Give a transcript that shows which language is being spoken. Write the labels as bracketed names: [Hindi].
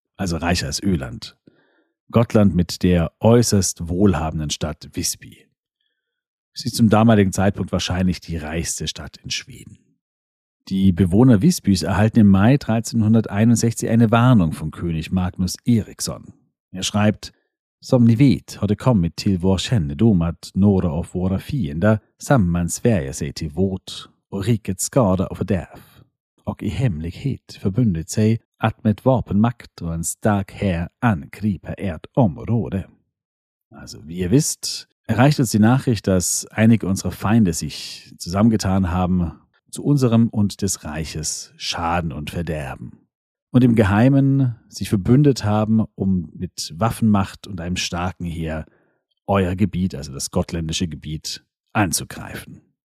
[German] Also reicher als Öland. Gotland mit der äußerst wohlhabenden Stadt Visby. Sie ist zum damaligen Zeitpunkt wahrscheinlich die reichste Stadt in Schweden. Die Bewohner Visbys erhalten im Mai 1361 eine Warnung von König Magnus Eriksson. Er schreibt: [Swedish] Som ni vet har det kommit till vår kännedom att några av våra fiender sammansvärjer sig till vårt och rikets skada och fördärv och i hemlighet förbundit sig att med vapenmakt och en stark herr angriper ert område. [German] Also, wie ihr wisst, erreicht uns die Nachricht, dass einige unserer Feinde sich zusammengetan haben, zu unserem und des Reiches Schaden und Verderben. Und im Geheimen sich verbündet haben, um mit Waffenmacht und einem starken Heer euer Gebiet, also das gotländische Gebiet, anzugreifen.